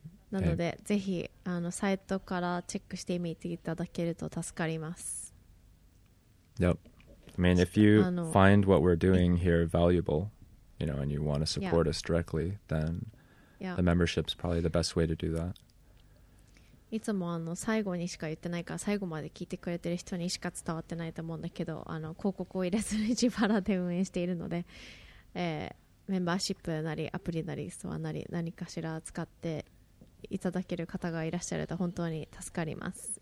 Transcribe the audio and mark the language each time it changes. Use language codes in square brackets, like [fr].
[ja] なのでぜひあのサイトからチェックしてみていただけると助かります。 Yep. [en] I mean, if you find what we're doing here valuable, you know, and you want to support us directly, then the membership's probably the best way to do that. [ja] いつもあの最後にしか言ってないから最後まで聞いてくれてる人にしか伝わってないと思うんだけど、あの広告を入れずに自腹で運営しているので、メンバーシップなりアプリなりストアなり何かしら使っていただける方がいらっしゃると本当に助かります。